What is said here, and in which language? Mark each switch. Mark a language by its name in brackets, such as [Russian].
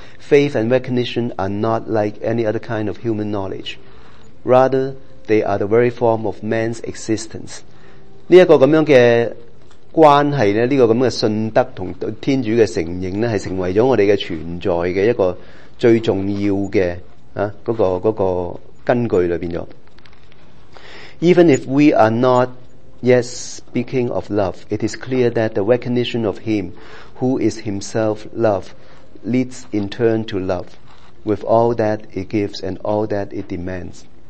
[English] Faith and recognition are not like any other kind of human knowledge. Rather, they are the very form of man's existence. [Chinese] 这个这样的关系，这个这样的信德和天主的承认，是成为了我们的存在的一个最重要的那个根据里面。 [English] Even if we are not yet speaking of love, it is clear that the recognition of him who is himself love leads in turn to love with all that it gives and all that it demands.